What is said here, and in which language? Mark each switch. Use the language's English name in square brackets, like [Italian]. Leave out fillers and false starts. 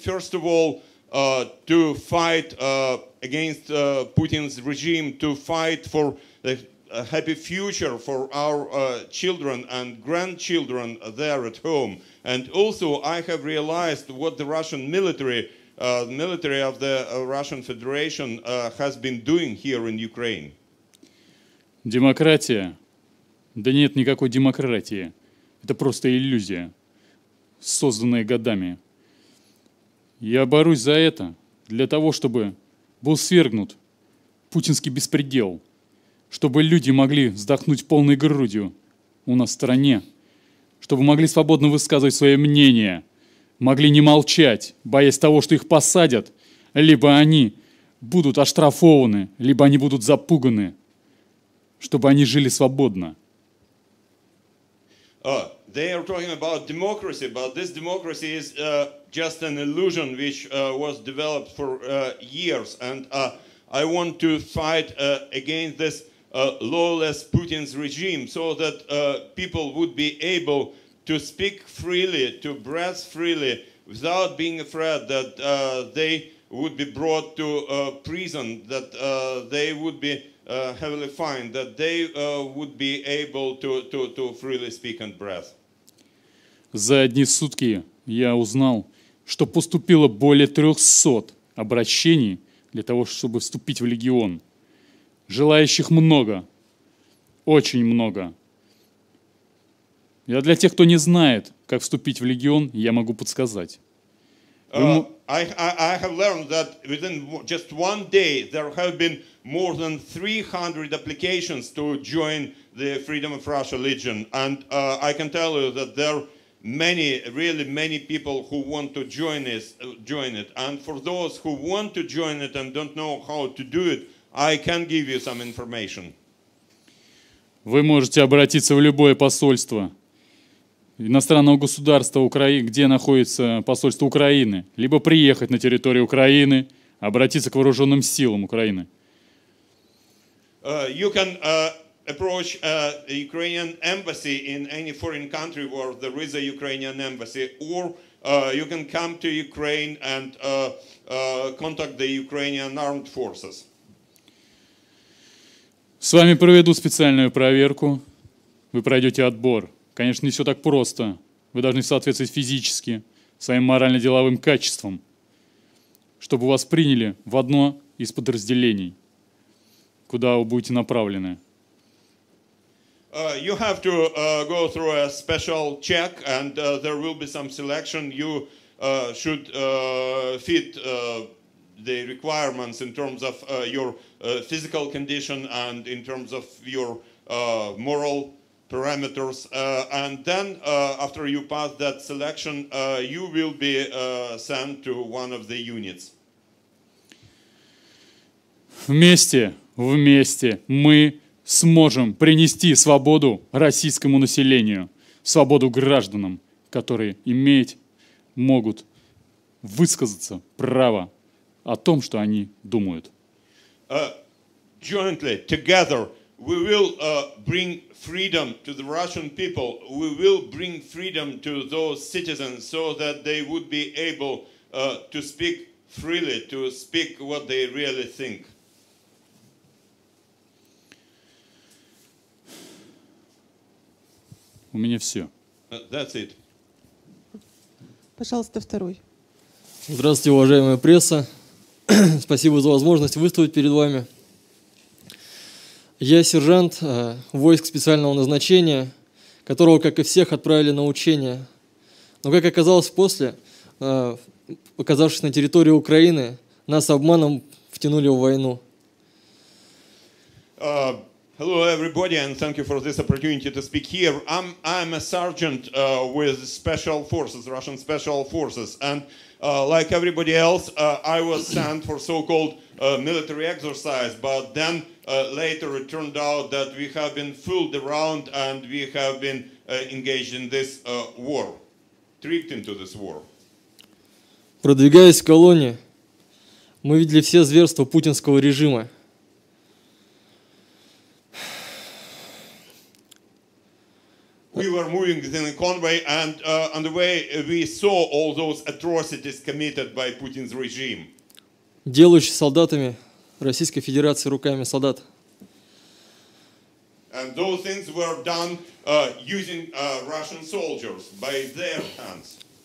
[English] First of all, to fight against Putin's regime, to fight for a happy future for our children and grandchildren there at home. And also, I have realized what the Russian military, the military of the Russian Federation, has been doing here in Ukraine. [Russian] Демократия? Да нет никакой демократии. Это просто иллюзия, созданная годами. Я борюсь за это, для того, чтобы был свергнут путинский беспредел, чтобы люди могли вздохнуть полной грудью у нас в стране, чтобы могли свободно высказывать свое мнение, могли не молчать, боясь того, что их посадят, либо они будут оштрафованы, либо они будут запуганы. Чтобы они жили свободно. [English] They are talking about democracy, but this democracy is just an illusion which was developed for years. And I want to fight against this lawless Putin's regime so that people would be able to speak freely, to breathe freely, without being afraid that they would be brought to prison, that they would be heavily fined, that they would be able to freely speak and breath. [Russian] За одни сутки я узнал, что поступило более 300 обращений для того, чтобы вступить в легион. Желающих много, очень много. Я для тех, кто не знает, как вступить в легион, я могу подсказать. [English] I have learned that within just one day there have been more than 300 applications to join the Freedom of Russia Legion. And I can tell you that there are many, really many people who want to join it. And for those who want to join it and don't know how to do it, I can give you some information. [Russian] Вы можете обратиться в любое посольство иностранного государства Украины, где находится посольство Украины, либо приехать на территорию Украины, обратиться к вооруженным силам Украины. [English] You can approach the Ukrainian embassy in any foreign country where there is a Ukrainian embassy, or you can come to Ukraine and contact the Ukrainian armed forces. [Russian] С вами проведу специальную проверку. Вы пройдете отбор. Конечно, не все так просто. Вы должны соответствовать физически своим морально-деловым качествам, чтобы вас приняли в одно из подразделений, куда вы будете направлены. [English] You have to go through a special check, and there will be some selection. You should fit the requirements in terms of your physical condition and in terms of your moral parameters. And then, after you pass that selection, you will be sent to one of the units. [Russian] Вместе. Вместе мы сможем принести свободу российскому населению, свободу гражданам, которые могут высказаться право о том, что они думают. [English] Jointly, together, we will bring freedom to the Russian people. We will bring freedom to those citizens so that they would be able to speak freely, to speak what they really think. [Russian] У меня все. [English] That's it. [Russian] Пожалуйста, второй. Здравствуйте, уважаемая пресса. Спасибо за возможность выступить перед вами. Я сержант войск специального назначения, которого, как и всех, отправили на учения. Но, как оказалось после, оказавшись на территории Украины, нас обманом втянули в войну. [English] Hello everybody and thank you for this opportunity to speak here. I'm a sergeant with special forces, Russian special forces, and like everybody else, I was sent for so-called military exercise, but then later it turned out that we have been fooled around and we have been engaged in this war, tricked into this war. [Russian] Продвигаясь в колонии, мы видели все зверства путинского режима. [English] We were moving in a convoy, and on the way we saw all those atrocities committed by Putin's regime. [Russian] Делающий солдатами Российской Федерации руками солдат. [English] And those things were done using Russian soldiers by their hands.